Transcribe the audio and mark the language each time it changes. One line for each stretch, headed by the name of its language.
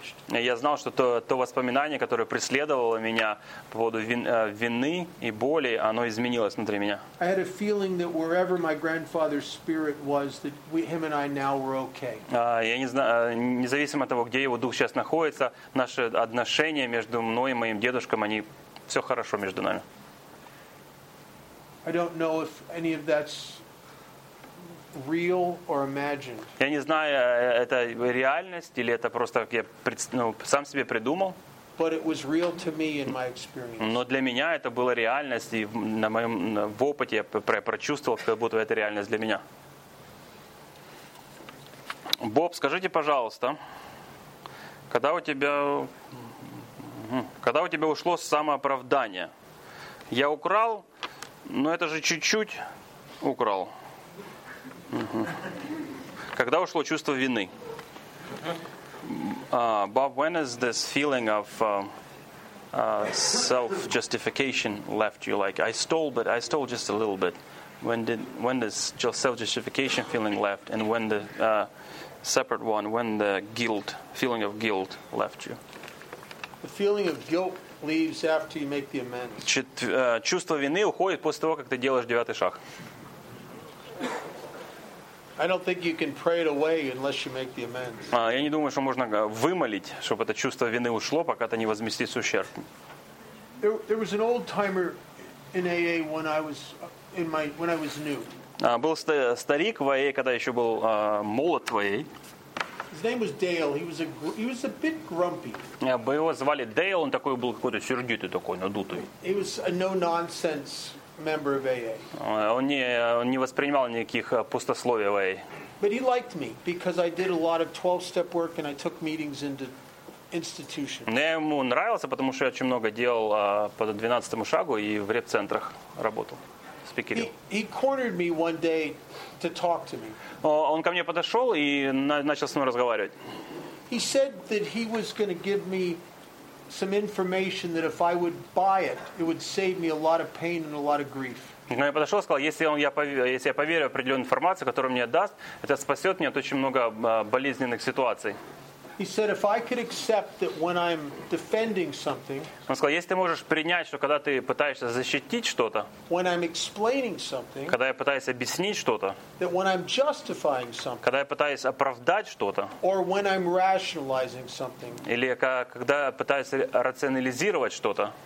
Russian: Я знал, что то воспоминание, которое преследовало меня по поводу вины и боли, оно изменилось внутри меня.
English: I had a feeling that wherever my grandfather's spirit was, that him and I now were okay.
Russian: Я не знаю, независимо от того, где его дух сейчас находится, наши отношения между мной и моим дедушком, они все хорошо между нами.
English: I don't know if any of that's real or imagined.
Russian: Я не знаю, это реальность или это просто как я сам себе придумал.
English: But it was real to me in my experience.
Russian: Но для меня это была реальность, и в опыте я прочувствовал, как будто это реальность для меня. Боб, скажите, пожалуйста, когда у тебя ушло самооправдание? Я украл, но это же чуть-чуть украл. Когда ушло чувство вины?
English: Bob, when is this feeling of self-justification left you? Like, I stole, but I stole just a little bit. When this self-justification feeling left? And when the separate one, when the guilt, feeling of guilt left you? The feeling of guilt leaves after you make the amends.
Russian: Чувство вины уходит после того, как ты делаешь девятый шаг.
English: I don't think you can pray it away unless you make the amends.
Russian: Я не думаю, что можно вымолить, чтобы это чувство вины ушло, пока ты не возместишь ущерб.
English: There was an old timer in AA when I was new.
Russian: Был старик в AA, когда еще был молод в AA.
English: His name was Dale. He was a bit grumpy.
Russian: Его звали Дейл. Он такой был какой-то сердитый такой, надутый.
English: He was a no-nonsense member of AA.
Russian: Он не воспринимал никаких пустословий в AA.
English: But he liked me because I did a lot of 12-step work and I took meetings into institutions.
Russian: Мне ему нравился, потому что я очень много делал по 12-му шагу и в реп-центрах работал.
English: He cornered me one day to talk to me.
Russian: Он ко мне подошел и начал с ним разговаривать.
English: He said that he was going to give me some information that if I would buy it, it would save me a lot of pain and a lot of grief.
Russian: Он мне подошел и сказал, если я поверю определенную информацию, которую мне даст, это спасет меня от очень много болезненных ситуаций.
English: He said, if I could accept that when I'm defending something,
Russian: он сказал, если ты можешь принять, что когда ты пытаешься защитить что-то,
English: when I'm explaining something,
Russian: когда я пытаюсь объяснить что-то,
English: that when I'm justifying something,
Russian: когда я пытаюсь оправдать что-то,
English: or when I'm rationalizing something,
Russian: или когда я пытаюсь рационализировать что-то,